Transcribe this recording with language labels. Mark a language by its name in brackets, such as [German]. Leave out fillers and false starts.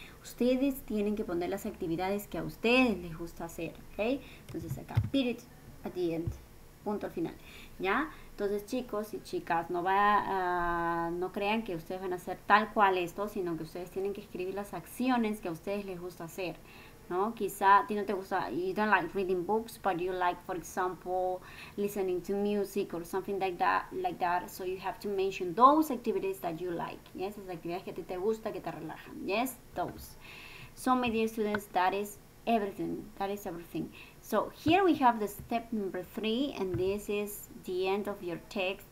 [Spanish] Ustedes tienen que poner las actividades que a ustedes les gusta hacer. Ok. Entonces acá, [English] put it at the end. [Spanish] Punto al final. ¿Ya? Entonces, chicos y chicas, no crean que ustedes van a hacer tal cual esto, sino que ustedes tienen que escribir las acciones que a ustedes les gusta hacer, ¿no? Quizá a ti no te gusta, [English] you don't like reading books, but you like, for example, listening to music or something like that, so you have to mention those activities that you like, ¿yes? [Spanish] Las actividades que a ti te gusta, que te relajan, ¿yes? [English] Those. So, my dear students, that is everything, that is everything. So, here we have the step number three, and this is the end of your text.